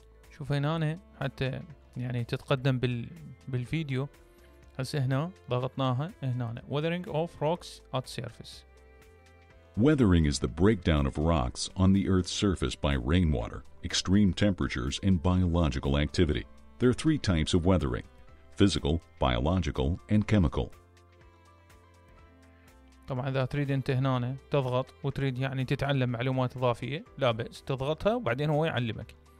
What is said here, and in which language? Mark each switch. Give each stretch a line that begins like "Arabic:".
Arabic: شوفين هنا حتى يعني تتقدم بالفيديو هسه هنا ضغطناها هنا
English: weathering of rocks at surface. Weathering is the breakdown of rocks on the Earth's surface by rainwater, extreme temperatures, and biological activity. There are three types of weathering: physical, biological, and chemical.
Arabic: طبعا إذا تريد أنت هنا تضغط وتريد يعني تتعلم معلومات إضافية لا بأس تضغطها وبعدين هو يعلمك.